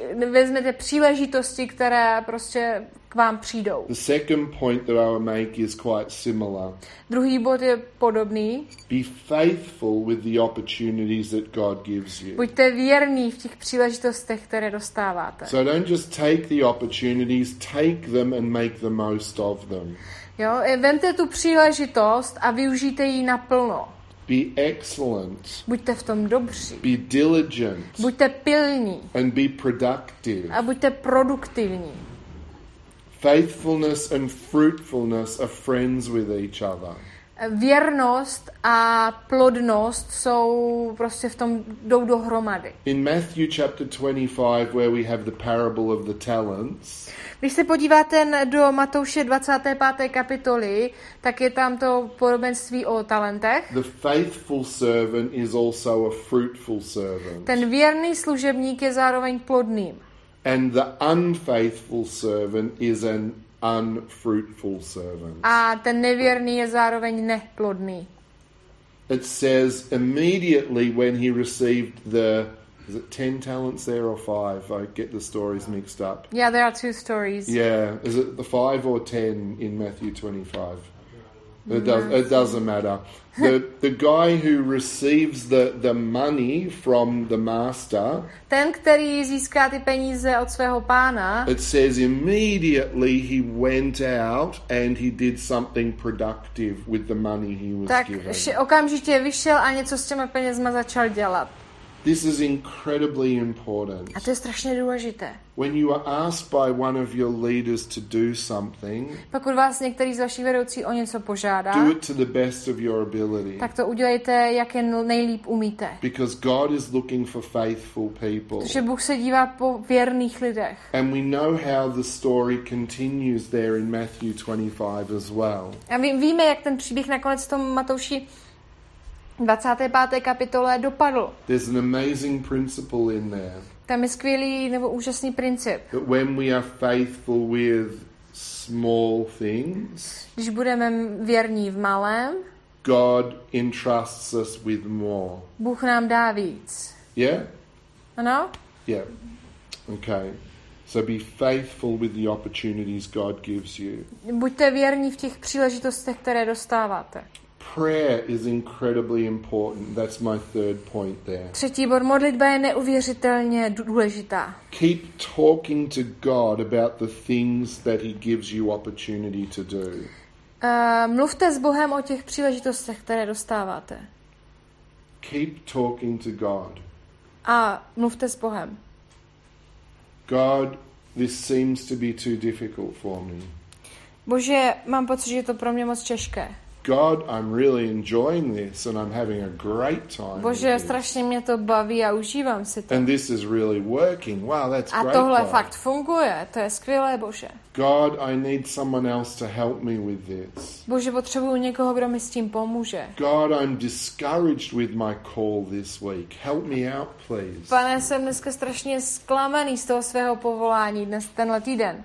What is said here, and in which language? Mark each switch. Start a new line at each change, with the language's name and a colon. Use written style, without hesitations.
Czech: Vezměte příležitosti, které prostě k vám přijdou.
English: The second point that I will make is quite similar.
Czech: Druhý bod je podobný.
English: Be faithful with the opportunities that God gives you.
Czech: Buďte věrní v těch příležitostech, které dostáváte.
English: So don't just take the opportunities, take them and make the most of them.
Czech: Jo, vemte tu příležitost a využijte ji naplno.
English: Be excellent.
Czech: Buďte v tom dobří.
English: Be diligent.
Czech: Buďte pilní.
English: And be productive.
Czech: A buďte produktivní.
English: Faithfulness and fruitfulness are friends with each other.
Czech: Věrnost a plodnost jsou prostě v tom jdou dohromady.
English: In Matthew chapter 25, where we have the parable of the talents.
Czech: Když se podíváte do Matouše 25. kapitoly, tak je tam to podobenství o talentech.
English: The faithful servant is also a fruitful servant.
Czech: Ten věrný služebník je zároveň plodným.
English: And the unfaithful servant is an unfruitful servant.
Czech: A ten nevěrný je zároveň neplodný.
English: It says immediately when he received the, is it 10 talents there or 5? I get the stories mixed up. Yeah, there are two stories. Yeah, is it the 5 or 10 in Matthew 25? It doesn't matter. The guy who receives the money from the master.
Czech: Ten, který získá ty peníze od svého pána.
English: It says immediately he went out and he did something productive with the money he was given.
Czech: Tak okamžitě vyšel a něco s těmi penězma začal dělat.
English: This is incredibly important.
Czech: A to je strašně důležité.
English: When you are asked by one of your leaders to do something,
Czech: pokud vás některý z vašich vedoucí o něco požádá,
English: do it to the best of your ability.
Czech: Tak to udělejte, jak je nejlíp umíte.
English: Because God is looking for faithful people.
Czech: Protože Bůh se dívá po věrných lidech.
English: And we know how the story continues there in Matthew 25 as well.
Czech: A víme, jak ten příběh nakonec v tom Matouši 25. kapitole dopadl.
English: There's an amazing principle in there.
Czech: Tam je skvělý nebo úžasný princip.
English: That when we are faithful with small things,
Czech: když budeme věrní v malém,
English: God entrusts us with more.
Czech: Bůh nám dá víc.
English: Yeah?
Czech: Ano?
English: Yeah. Okay. So be faithful with the opportunities God gives you.
Czech: Buďte věrní v těch příležitostech, které dostáváte.
English: Prayer is incredibly important. That's my third point there.
Czech: Třetí bod, modlitba je neuvěřitelně důležitá.
English: Keep talking to God about the things that he gives you opportunity to do.
Czech: Mluvte s Bohem o těch příležitostech, které dostáváte.
English: Keep talking to God.
Czech: A mluvte s Bohem.
English: God, this seems to be too difficult for me.
Czech: Bože, mám pocit, že je to pro mě moc těžké.
English: God, I'm really enjoying this and I'm having a great time.
Czech: Bože, strašně mě to baví a užívám si to.
English: And this is really working. Wow, that's great.
Czech: A tohle fakt funguje. To je skvělé, Bože.
English: God, I need someone else to help me with this.
Czech: Bože, potřebuju někoho, kdo mi s tím pomůže.
English: God, I'm discouraged with my call this week. Help me out, please.
Czech: Pane, jsem dneska strašně zklamaný z toho svého povolání dnes tenhle týden.